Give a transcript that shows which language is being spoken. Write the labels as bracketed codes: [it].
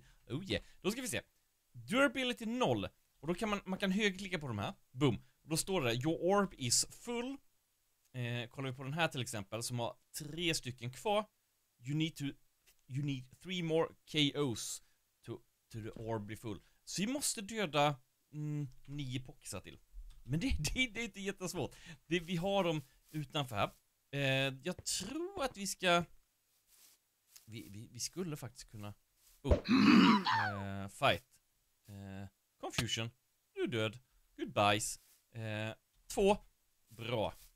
[sv] Oh yeah. Då ska vi se. Durability 0. Och då kan man högerklicka på de här. Boom. Då står det, [en] your orb is full. [sv] Kollar vi på den här till exempel, som har 3 stycken kvar. [en] You need 3 more KOs to the orb be full. [sv] Så vi måste döda 9 poxar till. Men det är inte jättesvårt. Vi har dem utanför här. Jag tror att vi ska... Vi skulle faktiskt kunna... [en] fight. Confusion. [sv] Du är död. [en] Goodbyes. [sv] 2. Bra.